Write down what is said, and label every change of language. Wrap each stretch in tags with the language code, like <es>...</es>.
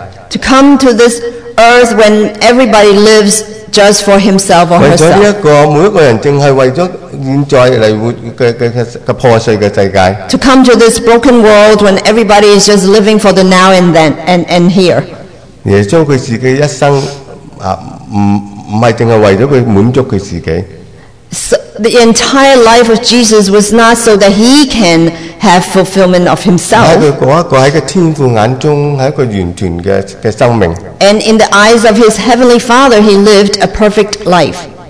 <en>to come to this earth when everybody lives just for himself or herself, to come to this broken world when everybody is just living for the now and then and here.</en> <zh>耶稣他自己一生不只是为了他满足他自己。</zh> <en>So the entire life of Jesus was not so that He can have fulfillment of Himself.</en> <zh>在他那个天父眼中，是一个完全的生命。</zh> <en>And in the eyes of His Heavenly Father, He lived a perfect life.</en>